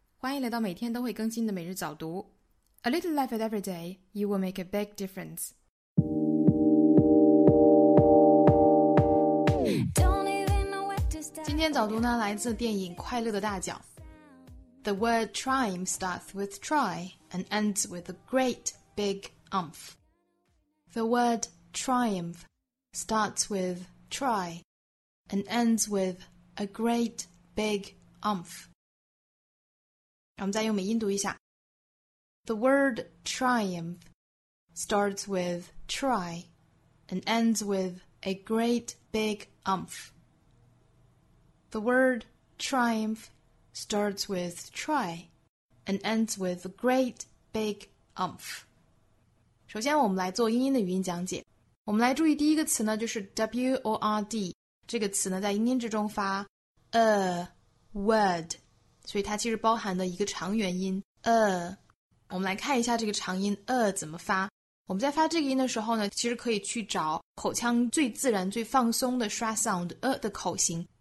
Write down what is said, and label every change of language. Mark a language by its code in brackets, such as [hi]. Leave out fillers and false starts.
[zh] 欢迎来到每天都会更新的每日早读。 [en] A little effort every day, you will make a big difference. Don't even know where to start. [zh] 今天早读呢，来自电影《快乐的大脚》。 [en] The word triumph starts with tri and ends with a great big umph. The word triumph starts with tri and ends with a great big umph. [zh] 我们再用美音读一下。 [en] The word triumph starts with tri and ends with a great big umph. The word triumph starts with tri and ends with a great big umph. [zh] 首先我们来做英音的语音讲解。我们来注意第一个词呢，就是 WORD。这个词呢在英音之中发 a word， 所以它其实包含的一个长元音 a。我们来看一下这个长音 a 怎么发。我们在发这个音的时候呢，其实可以去找口腔最自然最放松的刷 sound a 的口型。